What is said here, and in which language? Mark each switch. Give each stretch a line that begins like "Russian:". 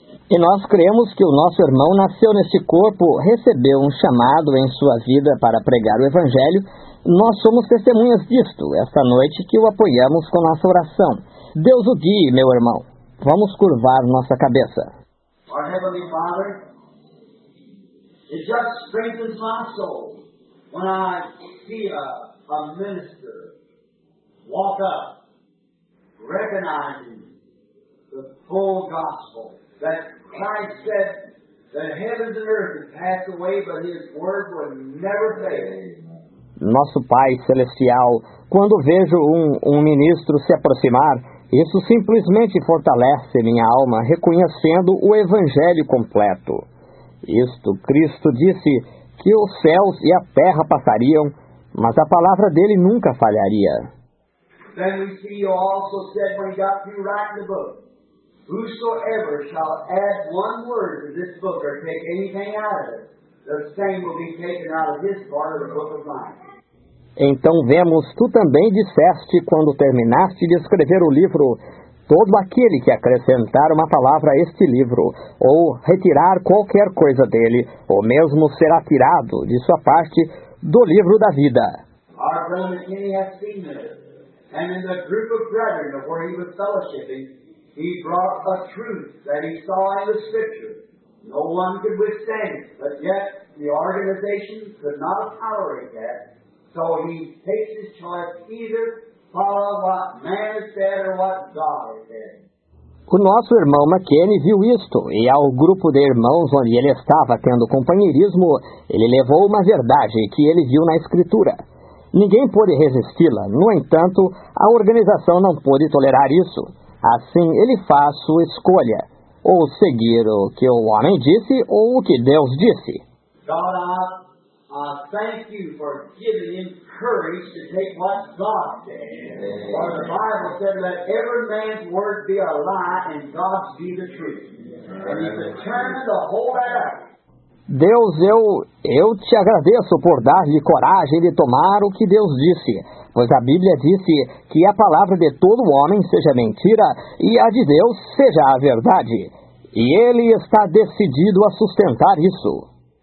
Portuguese: E nós cremos que o nosso irmão nasceu neste corpo, recebeu um chamado em sua vida para pregar o Evangelho. Nós somos testemunhas disto, esta noite, que o apoiamos com nossa oração. Deus o guie, meu irmão. Vamos curvar nossa cabeça.
English: Our Heavenly Father, it just strengthens my soul when I see a minister walk up, recognizing the full gospel. That Christ said that heavens and earth have passed away, but his word will never fail.
Portuguese: Nosso Pai Celestial, quando vejo um ministro se aproximar, isso simplesmente fortalece minha alma, reconhecendo o Evangelho completo. Isto Cristo disse que os céus e a terra passariam, mas a palavra dele nunca falharia.
English: Then we see you also said when you got through writing the book. Whosoever shall add one word to this book or take anything out of it, the same will be taken out of this part of the book of life.
Portuguese: Então vemos, tu também disseste quando terminaste de escrever o livro, todo aquele que acrescentar uma palavra a este livro, ou retirar qualquer coisa dele, ou mesmo será tirado de sua parte do livro da vida.
English: Our brother McKinney has seen this, and in the group of brethren where he was fellowshipping, he brought a truth that he saw in the scripture. No one could withstand it, but yet the organization could not tolerate that. So he takes his choice either follow what man has said or what God has said.
Portuguese: O nosso irmão McKinney viu isto, e ao grupo de irmãos onde ele estava tendo companheirismo, ele levou uma verdade que ele viu na Escritura. Ninguém pôde resisti-la, no entanto, a organização não pôde tolerar isso. Assim, ele faz sua escolha, ou seguir o que o homem disse ou o que Deus disse.
English: God, thank you for giving him courage to take what God said. For the Bible said, let every man's word be a lie and God's be the truth. And he's determined to hold that up.
Portuguese: Deus, eu te agradeço por dar-lhe coragem de tomar o que Deus disse, pois a Bíblia disse que a palavra de todo homem seja mentira e a de Deus seja a verdade. E ele está decidido a sustentar isso.